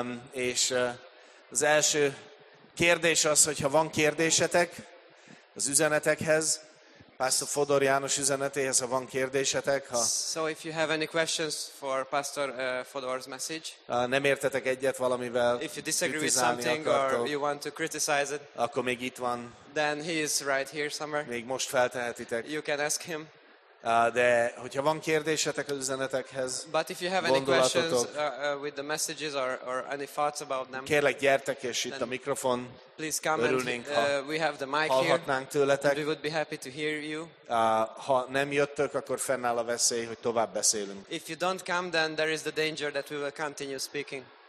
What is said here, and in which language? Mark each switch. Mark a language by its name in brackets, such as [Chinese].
[Hungarian] És az első kérdés az, hogyha van kérdésetek az üzenetekhez, Pastor Fodor János üzenetéhez, ha van kérdésetek, ha [English] so if you have any questions for Pastor Fodor's message, [Hungarian] nem értetek egyet valamivel, [English] if you disagree with something or you want to criticize it, [Hungarian] akkor még itt van, [English] then he is right here somewhere, [Hungarian] még most feltehetitek, [English] you can ask him. [Hungarian] De hogyha van kérdésetek az üzenetekhez, [English] but if you have any questions with the messages or any thoughts about them, [Hungarian] kérlek gyertek, és itt a mikrofon, [English] please come, [Hungarian] örülnénk, [English] we have the mic [Hungarian] hallhatnánk [English] here, [Hungarian] tőletek. [English] We would be happy to hear you. [Hungarian] Ha nem jöttök, akkor fennáll a veszély, hogy tovább beszélünk. [English] If you don't come, then there is the danger that we will continue speaking.